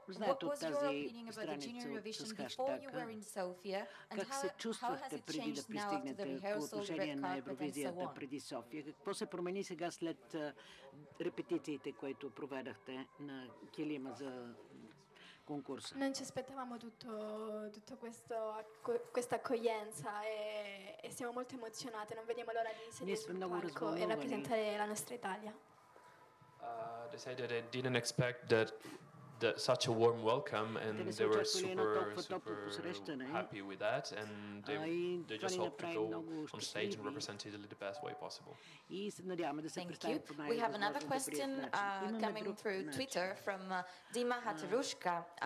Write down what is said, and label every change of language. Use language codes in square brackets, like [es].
[en] What was your opinion about the Junior Eurovision before you were in Sofia? And how has it changed now after the rehearsals, red carpet and so on? [bg] Преди София? Какво се промени сега след репетициите, които проведахте на Килима за concorso. [it] Non ci aspettavamo tutto questo questa accoglienza e siamo molto emozionate, non vediamo l'ora di sedere sul palco e rappresentare la nostra Italia. [en] They said that they didn't expect that such a warm welcome and they were super happy with that and they just hope to go on stage and represent Italy the best way possible. Thank you. We have another question coming through Twitter from Dima Hataruska.